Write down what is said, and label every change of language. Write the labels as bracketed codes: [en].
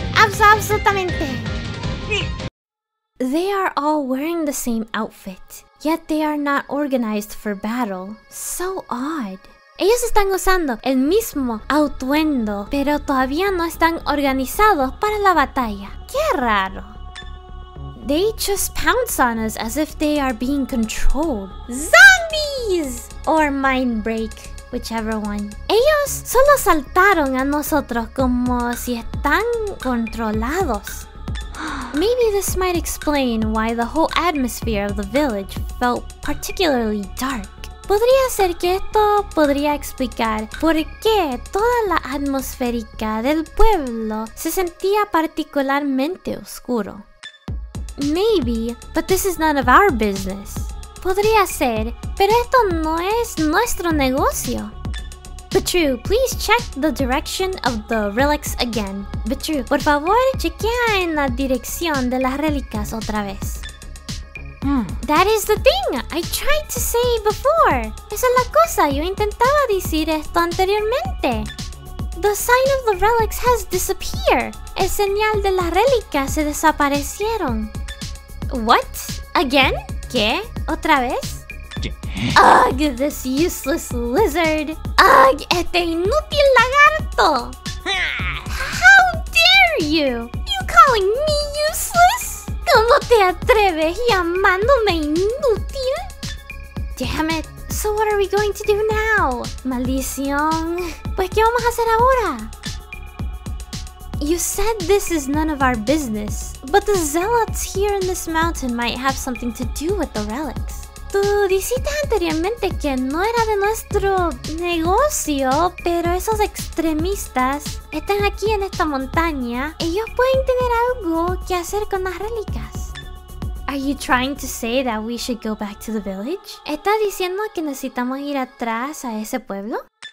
[es] Absolutamente! [en] They are all wearing the same outfit, yet they are not organized for battle. So odd. [es] Ellos están usando el mismo atuendo, pero todavía no están organizados para la batalla. Qué raro. [en] They just pounce on us as if they are being controlled. Zombies! Or mind break, whichever one. [es] Ellos solo saltaron a nosotros como si están controlados. [en] Maybe this might explain why the whole atmosphere of the village felt particularly dark. [es] Podría ser que esto podría explicar por qué toda la atmosférica del pueblo se sentía particularmente oscuro. [en] Maybe, but this is none of our business. [es] Podría ser, pero esto no es nuestro negocio. [en] Vtru, please check the direction of the relics again. [es] Vtru, por favor, chequea en la dirección de las relicas otra vez. Hmm. [en] That is the thing I tried to say before. [es] Esa es la cosa, yo intentaba decir esto anteriormente. [en] The sign of the relics has disappeared. [es] El señal de las relicas se desaparecieron. [en] What? Again? [es] ¿Qué? ¿Otra vez? [en] Ugh, this useless lizard! [es] Ugh, este inútil lagarto! [en] How dare you! You calling me useless? [es] ¿Cómo te atreves llamándome inútil? [en] Damn it! So what are we going to do now? [es] Maldición! Pues, ¿qué vamos a hacer ahora? [en] You said this is none of our business, but the zealots here in this mountain might have something to do with the relics. [es] Tú dijiste anteriormente que no era de nuestro negocio, pero esos extremistas están aquí en esta montaña. Ellos pueden tener algo que hacer con las relicas. [en] Are you trying to say that we should go back to the village? [es] ¿Estás diciendo que necesitamos ir atrás a ese pueblo?